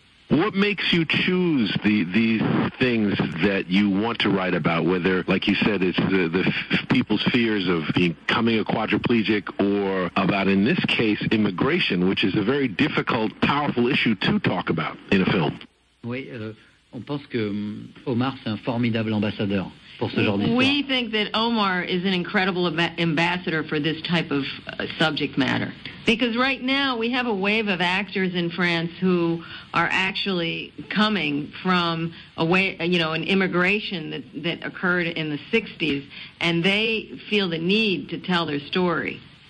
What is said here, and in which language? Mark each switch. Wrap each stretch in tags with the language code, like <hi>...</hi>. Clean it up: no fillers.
<en>What makes you choose these things that you want to write about, whether, like you said, it's the people's fears of becoming a quadriplegic, or about, in this case, immigration, which is a very difficult, powerful issue to talk about in a film?</en> <fr>Oui, on pense que Omar, c'est un formidable ambassadeur pour ce genre d'histoire.</fr> <en>We think that Omar is an incredible ambassador for this type of subject matter. Because right now we have a wave of actors in France who are actually coming from a way, you know, an immigration that occurred in the 60s, and they feel the need to tell their story.</en>